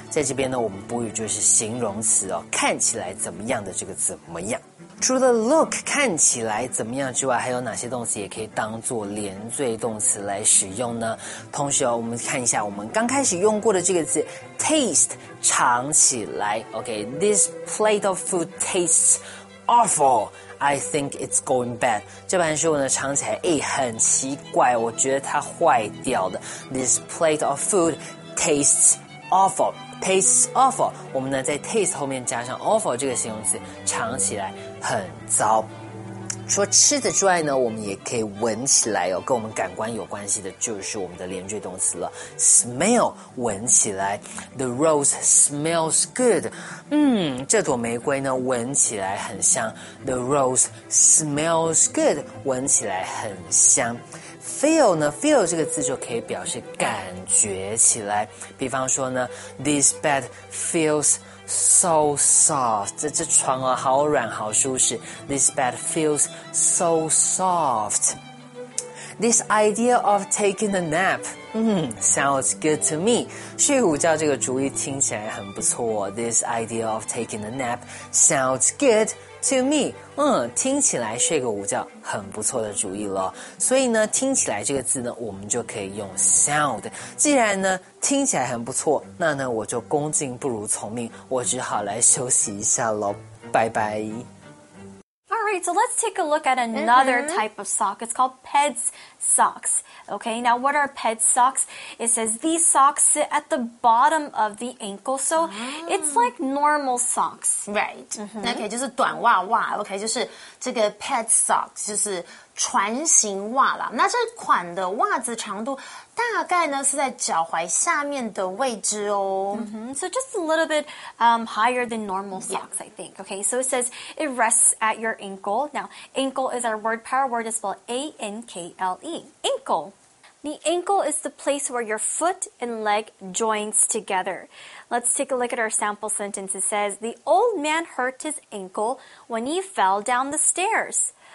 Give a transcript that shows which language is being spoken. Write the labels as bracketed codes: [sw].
[zh] 在这边呢，我们补语就是形容词哦，看起来怎么样的这个怎么样。除了 look 看起来怎么样之外，还有哪些动词也可以当作连缀动词来使用呢？同时哦，我们看一下我们刚开始用过的这个字 taste， 尝起来。 [en] OK， this plate of food tastes awful，I think it's going bad. [zh] 这盘食物呢，尝起来，诶，很奇怪，我觉得它坏掉的。 [en] This plate of food tastes awful. Tastes awful. [zh] 我们呢，在 taste 后面加上 awful 这个形容词，尝起来很糟。除了吃的之外呢，我们也可以闻起来哦，跟我们感官有关系的就是我们的连缀动词了。 [en] Smell, [zh] 闻起来。 [en] The rose smells good. [zh] 这朵玫瑰呢，闻起来很香。 [en] The rose smells good, [zh] 闻起来很香。 Feel 呢 ,feel 这个字就可以表示感觉起来。比方说呢 , [en] this bed feels so soft, [zh] 这床啊好软好舒适。 [en] This bed feels so soft. This idea of taking a nap, sounds good to me. [zh] 睡午觉这个主意听起来很不错。 [en] This idea of taking a nap sounds good. [zh] To me, 听起来睡个午觉很不错的主意咯。所以呢，听起来这个字呢，我们就可以用 sound。既然呢，听起来很不错，那呢，我就恭敬不如从命，我只好来休息一下咯。拜拜。 [en] Alright, so let's take a look at another type of sock. It's called Peds socks. Okay, now what are Peds socks? It says these socks sit at the bottom of the ankle. So it's like normal socks. [zh] Right. Mm-hmm. Okay, 就是短袜袜 Okay, 就是这个 Peds socks, 就是船型袜啦。那这款的袜子长度大概呢是在脚踝下面的位置哦。 Mm-hmm. [en] So just a little bit higher than normal socks, I think. Okay, so it says it rests at your ankle. Now, ankle is our word, power word is spelled A-N-K-L-E. Ankle. The ankle is the place where your foot and leg joins together. Let's take a look at our sample sentence. It says, the old man hurt his ankle when he fell down the stairs.